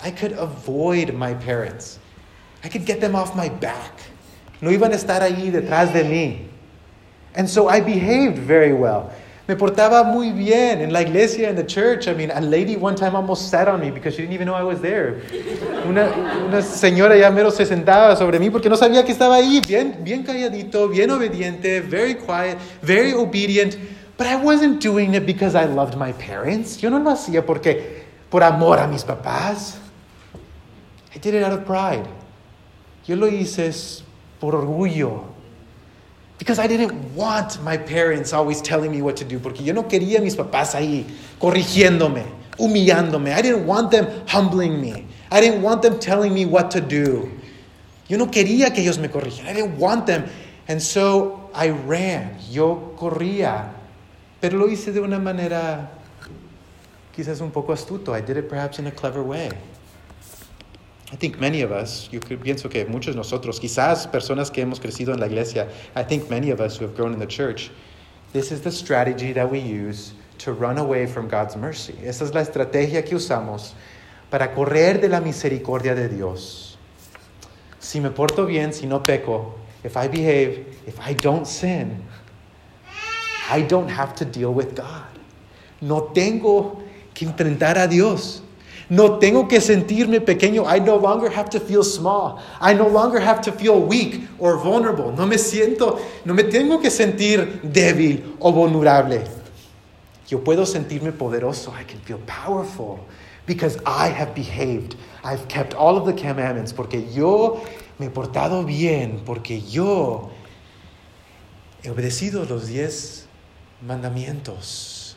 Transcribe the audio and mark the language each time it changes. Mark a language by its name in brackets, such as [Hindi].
[English] I could avoid my parents. I could get them off my back. [Spanish] No iban a estar ahí detrás de mí. [English] And so I behaved very well. [Spanish] Me portaba muy bien en la iglesia, [English] in the church. I mean, a lady one time almost sat on me because she didn't even know I was there. [Spanish] Una señora ya mero se sentaba sobre mí porque no sabía que estaba ahí. Bien, bien calladito, bien obediente, [English] very quiet, very obedient. But I wasn't doing it because I loved my parents. [Spanish] Yo no lo hacía porque, por amor a mis papás. [English] I did it out of pride. [Spanish] Yo lo hice por orgullo. [English] Because I didn't want my parents always telling me what to do. [Spanish] Porque yo no quería mis papás ahí corrigiéndome, humillándome. [English] I didn't want them humbling me. I didn't want them telling me what to do. [Spanish] Yo no quería que ellos me corrigieran. [English] I didn't want them. And so I ran. [Spanish] Yo corría. Pero lo hice de una manera quizás un poco astuto. [English] I did it perhaps in a clever way. I think many of us, [Spanish] yo pienso que muchos de nosotros, quizás personas que hemos crecido en la iglesia, [English] I think many of us who have grown in the church, this is the strategy that we use to run away from God's mercy. [Spanish] Esa es la estrategia que usamos para correr de la misericordia de Dios. Si me porto bien, si no peco, [English] if I behave, if I don't sin, I don't have to deal with God. [Spanish] No tengo que enfrentar a Dios. No tengo que sentirme pequeño. [English] I no longer have to feel small. I no longer have to feel weak or vulnerable. [Spanish] No me siento, no me tengo que sentir débil o vulnerable. Yo puedo sentirme poderoso. [English] I can feel powerful because I have behaved. I've kept all of the commandments [Spanish] porque yo me he portado bien, porque yo he obedecido los 10 mandamientos.